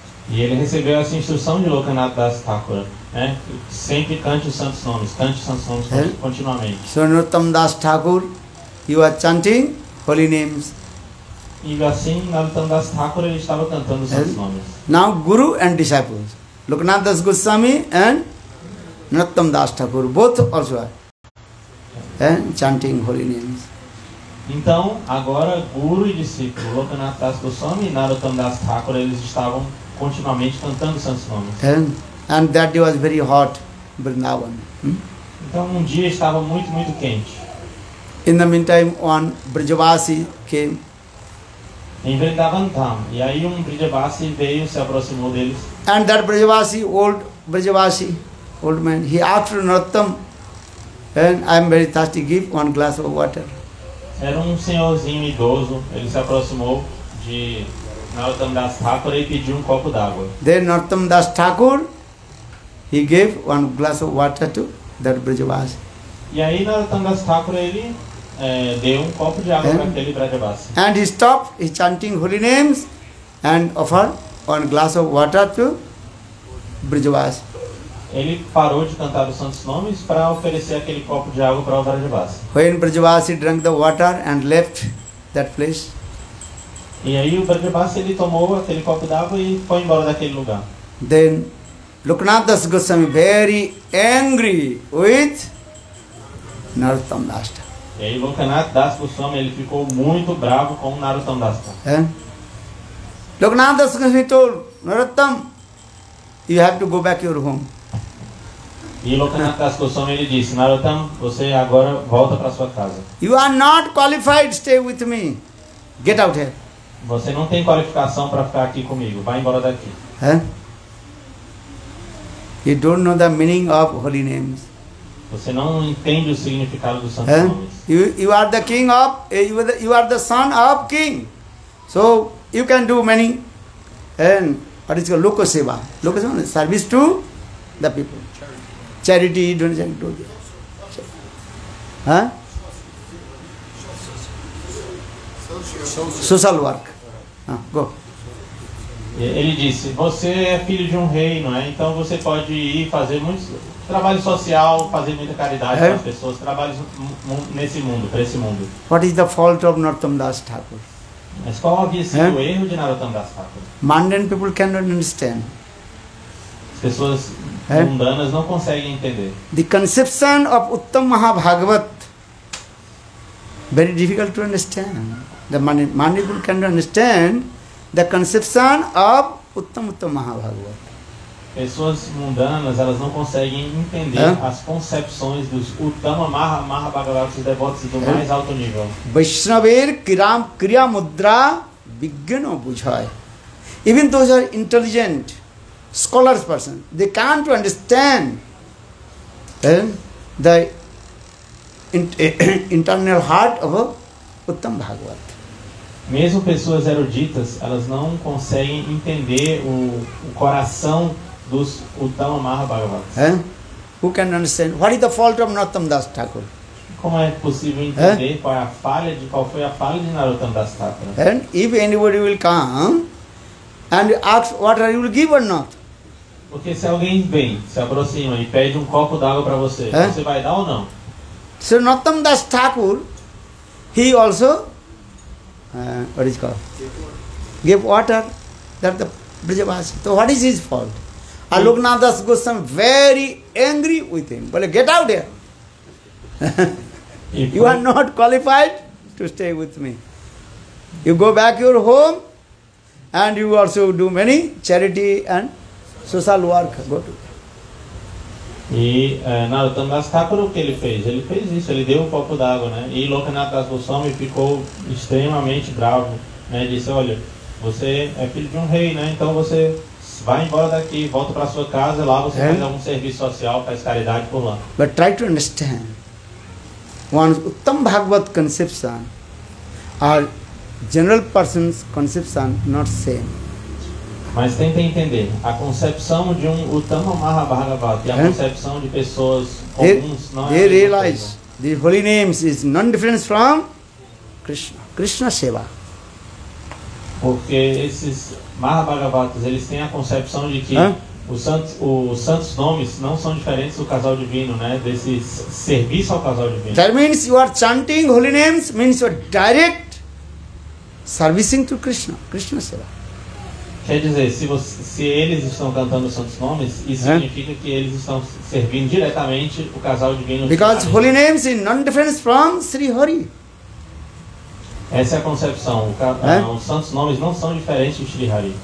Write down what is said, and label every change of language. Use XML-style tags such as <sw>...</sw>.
<pt>E ele recebeu essa instrução de Lokanath Das Thakur, né? Sempre cante os santos nomes continuamente.</pt> <en>So Narottam Das Thakur, you are chanting holy names.</en> <pt>E assim Narottam Das Thakur ele estava cantando os santos nomes.</pt> <en>Now Guru and disciples, Lokanath Das Gosvami and Narottam Das Thakur, both also are chanting holy names.</en> <pt>Então, agora, Guru e discípulo, Lokanath Das Gosvami e Narottam Das Thakur, eles estavam continuamente cantando santos nomes.</pt> <en>And that day was very hot, Vrindavan.</en> <pt>Então, dia estava muito, muito quente.</pt> <en>In the meantime, one Brijavasi came.</en> <pt>Em Vrindavan Dham. E aí, Brijavasi veio e se aproximou deles.</pt> <en>And that Brijavasi, old Brijavasi, old man, he asked Narottam, and I am very thirsty, give one glass of water.</en> <pt>Era senhorzinho idoso, ele se aproximou de Narottam Das Thakur e pediu copo d'água.</pt> <en>Then Narottam Das Thakur, he gave one glass of water to that Brijavasi.</en> <pt>E aí Narottam Das Thakur, ele deu copo de água para aquele Brijavasi.</pt> <en>And he stopped, he chanting holy names, and offered one glass of water to Brijavasi.</en> <pt>Ele parou de cantar os santos nomes para oferecer aquele copo de água para o Brijavasi.</pt> <en>When Brijavasi drank the water and left that place.</en> <pt>E aí o Brijavasi ele tomou aquele copo d'água e foi embora daquele lugar.</pt> <en>Then Lokanath Das Gosvami very angry with Narottam Das Thakur.</en> <pt>E aí Lokanath Das Gosvami ele ficou muito bravo com Narottam Das Thakur.</pt> <en>Lokanath Das Gosvami told Narottam, you have to go back to your home.</en> <pt>E Lokanath Das Gosvami ele disse, Narottam, você agora volta para sua casa.</pt> <en>You are not qualified to stay with me. Get out here.</en> <pt>Você não tem qualificação para ficar aqui comigo. Vai embora daqui.</pt> <en>You don't know the meaning of holy names.</en> <pt>Você não entende o significado dos santos nomes.</pt> <en>You are the king of, you are the son of king. So you can do many and what is called loka seva. Loka seva, service to the people. Charity, donation, do this. Social work. Go.</en> <pt>Ele disse, você é filho de rei, não é? Então você pode ir fazer muito trabalho social, fazer muita caridade para as pessoas, trabalhos nesse mundo, para esse mundo.</pt> <en>What is the fault of Narottam Das Thakur?</en> <pt>Mas qual havia sido o erro de Narottam Das Thakur?</pt> <en>Mundane people cannot understand.</en> <pt>As pessoas mundanas não conseguem entender.</pt> <en>The conception of Uttam Mahabhagavat, very difficult to understand. The mundane people cannot understand the conception of Uttam Mahabhagavat.</en> <pt>Pessoas mundanas, elas não conseguem entender as concepções dos Uttama Mahabhagavat, os devotos do mais alto nível.</pt> <bn>Vaishnaver kiram kriya mudra vigyano bujhay.</bn> <en>Even those are intelligent, scholars person, they can't understand the internal heart of Uttam Bhagavat.</en> <pt>Mesmo pessoas eruditas, elas não conseguem entender o coração dos Uttama Mahabhagavat.</pt> <en>Who can understand? What is the fault of Narottam Das Thakur?</en> <pt>Como é possível entender qual é a falha de Narottam Das Thakur?</pt> <en>And if anybody will come and ask what are you will give or not?</en> <pt>Porque se alguém vem, se aproxima e pede copo d'água para você, você vai dar ou não?</pt> <en>So Narottam Das Thakur, he also, what is it called? Give water, that the Brijavasi. So what is his fault? Lokanath Das Gosvami very angry with him. Well, get out there. You are not qualified to stay with me. You go back your home, and you also do many charity and social work, go to.</en> <pt>E Narottam Das Thakur, o que ele fez? Ele fez isso, ele deu copo d'água, né? E Lokanath Das Gosvami ficou extremamente bravo, né? Disse, olha, você é filho de rei, né? Então você vai embora daqui, volta para sua casa, lá você faz algum serviço social, faz caridade por lá.</pt> <en>But try to understand. One's Uttam Bhagavat conception or general person's conception not same.</en> <pt>Mas tenta entender, a concepção de um Uttam Mahabhagavat e a concepção de pessoas comuns não é.</pt> <en>They realize the holy names is non-difference from Krishna, Krishna Seva.</en> <pt>Porque esses Mahabhagavatas, eles têm a concepção de que os santos nomes não são diferentes do casal divino, né? Desse serviço ao casal divino.</pt> <en>That means you are chanting holy names, means you are direct servicing to Krishna, Krishna Seva.</en> <pt>Quer dizer, se, você, se eles estão cantando os santos nomes, isso significa que eles estão servindo diretamente o casal divino.</pt> <en>Because holy names is non-different from Sri Hari.</en> <pt>Essa é a concepção. Os santos nomes não são diferentes de Sri Hari.</pt>